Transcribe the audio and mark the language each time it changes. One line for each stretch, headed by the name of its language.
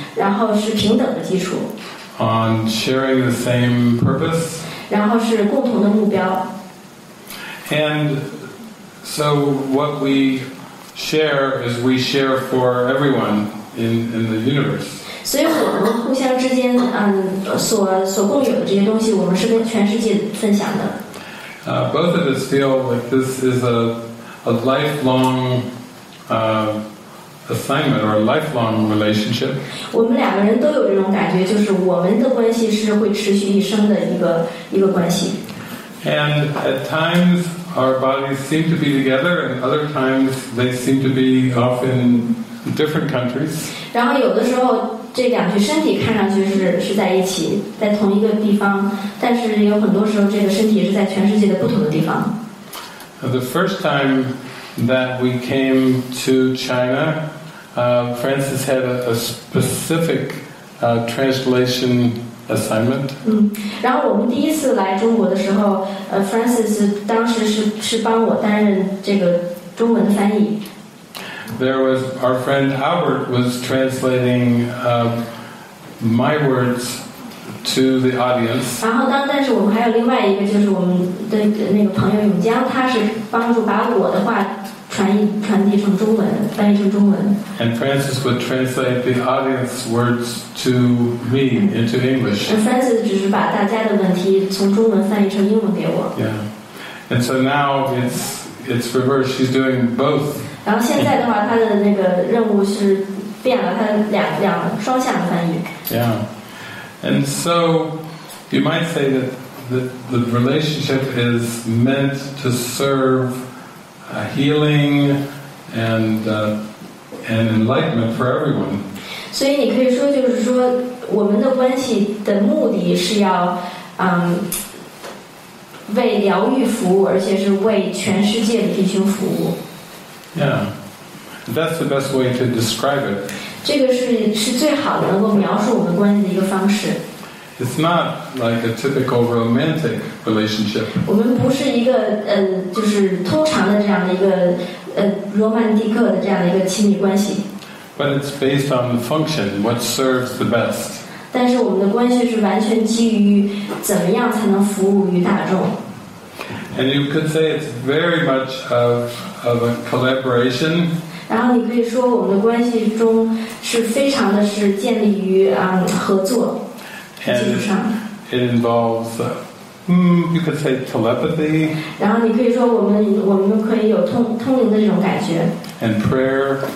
English: And on the basis of equality. On sharing the same purpose.
Chinese: 然后是共同的目标。
English: And so what we share is we share for everyone in the universe.
Chinese: 所以我们互相之间，所共有的这些东西，我们是跟全世界分享的。
English: Both of us feel like this is a lifelong, assignment or a lifelong relationship.
Chinese: 我们两个人都有这种感觉，就是我们的关系是会持续一生的一个关系。
English: And at times our bodies seem to be together, and other times they seem to be off in different countries.
Chinese: 然后有的时候这两具身体看上去是在一起，在同一个地方，但是有很多时候这个身体是在全世界的不同的地方。
English: The first time. That we came to China, Francis had a specific translation assignment.
Chinese: 然后我们第一次来中国的时候，Francis 当时是帮我担任这个中文的翻译。
English: There was our friend Albert was translating my words. To the audience.
Chinese: 然后但是我们还有另外一个，就是我们的那个朋友永江，他是帮助把我的话传递成中文，翻译成中文。
English: And Francis would translate the audience words to me into English.
Chinese: Francis 只是把大家的问题从中文翻译成英文给我。
English: Yeah. And so now it's reversed. She's doing both.
Chinese: 然后现在的话，他的那个任务是变了，他两双向翻译。
English: Yeah. And so, you might say that the relationship is meant to serve healing and enlightenment for everyone.
Chinese: 所以你可以说，就是说，我们的关系的目的是要，为疗愈服务，而且是为全世界的弟兄服务。
English: Yeah, that's the best way to describe it.
Chinese: 这个是最好的能够描述我们关系的一个方式。
English: It's not like a typical romantic relationship.
Chinese: 我们不是一个就是通常的这样的一个罗曼蒂克的这样的一个亲密关系。
English: But it's based on the function, what serves the best.
Chinese: 但是我们的关系是完全基于怎么样才能服务于大众。
English: And you could say it's very much of a collaboration.
Chinese: 然后你可以说我们的关系中是非常的是建立于合作基础上。
English: It involves You could say telepathy.
Chinese: 然后你可以说我们可以有通灵的这种感觉。
English: And prayer.